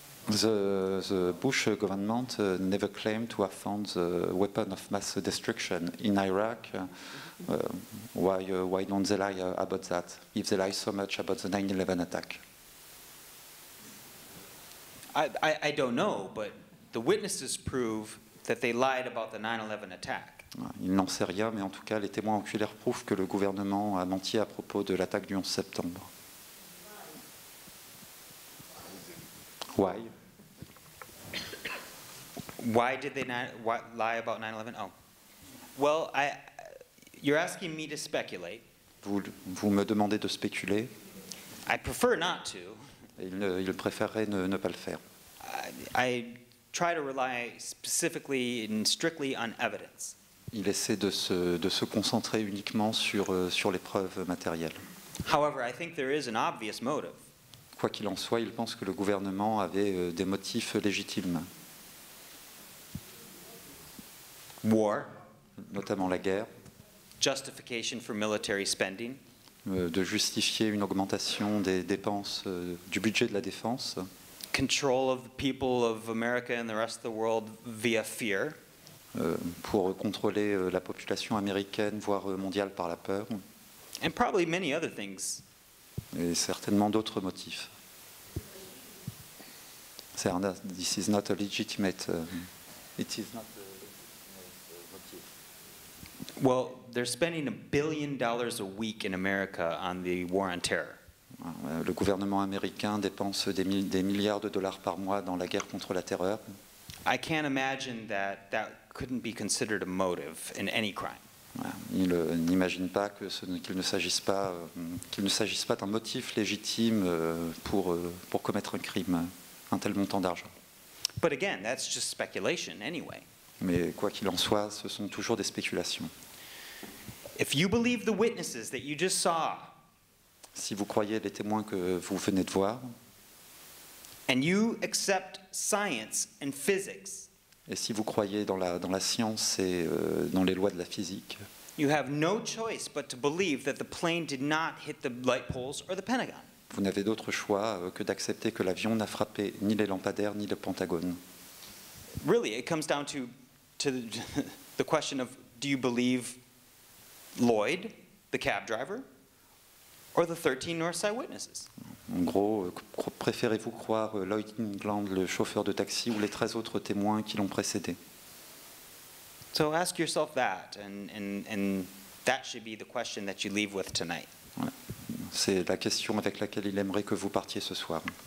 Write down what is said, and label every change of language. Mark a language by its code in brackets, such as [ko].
[en] The Bush government never claimed to have found the weapon of mass destruction in Iraq. Why don't they lie about that, if they lie so much about the 9/11 attack? I don't know, but the witnesses prove that they lied about the 9/11 attack. [fr] Il n'en sait rien, mais en tout cas, les témoins oculaires prouvent que le gouvernement a menti à propos de l'attaque du 11 septembre. [en] Why did they not lie about 9/11? Oh, well, you're asking me to speculate. [fr] Vous me demandez de spéculer. [en] I prefer not to. [fr] Il préférerait ne pas le faire. [en] I try to rely specifically and strictly on evidence. [fr] Il essaie de se concentrer uniquement sur les preuves matérielles. [en] However, I think there is an obvious motive. [fr] quoi qu'il en soit, il pense que le gouvernement avait des motifs légitimes. [en] War. [fr] Notamment la guerre. [en] Justification for military spending. [fr] De justifier une augmentation des dépenses du budget de la défense. [en] Control of the people of America and the rest of the world via fear. [fr] Pour contrôler la population américaine, voire mondiale, par la peur. [en] And probably many other things. [fr] Et certainement d'autres motifs. C'est un, [en] this is not a legitimate. It is not. Well, they're spending $1 billion a week in America on the war on terror. [fr] Le gouvernement américain dépense des milliards de dollars par mois dans la guerre contre la terreur. [en] I can't imagine that that couldn't be considered a motive in any crime. [fr] Il n'imagine pas que ce, qu'il ne s'agisse pas d'un motif légitime pour commettre un crime, un tel montant d'argent. [en] But again, that's just speculation anyway. [fr] Mais quoi qu'il en soit, ce sont toujours des spéculations. [en] If you believe the witnesses that you just saw, [fr] si vous croyez les témoins que vous venez de voir, [en] and you accept science and physics, [fr] et si vous croyez dans la science et dans les lois de la physique, [en] you have no choice but to believe that the plane did not hit the light poles or the Pentagon. [fr] Vous n'avez d'autre choix que d'accepter que l'avion n'a frappé ni les lampadaires ni le Pentagone. [en] Really, it comes down to the question of, do you believe Lloyd, the cab driver, or the 13 Northside witnesses? [fr] En gros, préférez-vous croire Lloyd England, le chauffeur de taxi, ou les 13 autres témoins qui l'ont précédé? [en] So ask yourself that, and that should be the question that you leave with tonight. [fr] Voilà. C'est la question avec laquelle il aimerait que vous partiez ce soir.